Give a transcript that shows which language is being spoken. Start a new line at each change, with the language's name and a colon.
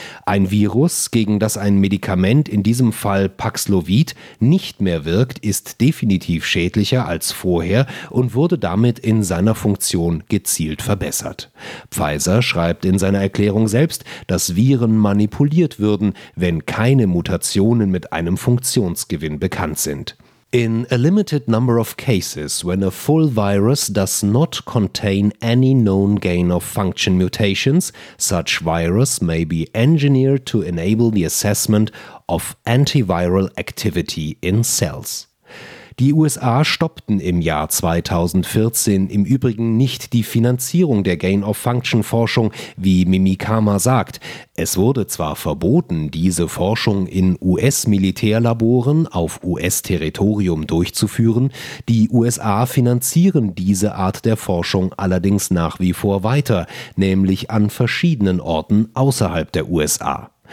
German: Ein Virus, gegen das ein Medikament, in diesem Fall Paxlovid, nicht mehr wirkt, ist definitiv schädlicher als vorher und wurde damit in seiner Funktion gezielt verbessert. Pfizer schreibt in seiner Erklärung selbst, dass Viren manipuliert würden, wenn keine Mutationen mit einem Funktionsgewinn bekannt sind.
English: In a limited number of cases, when a full virus does not contain any known gain-of-function mutations, such virus may be engineered to enable the assessment of antiviral activity in cells.
German: Die USA stoppten im Jahr 2014 im Übrigen nicht die Finanzierung der Gain-of-Function-Forschung, wie Mimikama sagt. Es wurde zwar verboten, diese Forschung in US-Militärlaboren auf US-Territorium durchzuführen, die USA finanzieren diese Art der Forschung allerdings nach wie vor weiter, nämlich an verschiedenen Orten außerhalb der USA.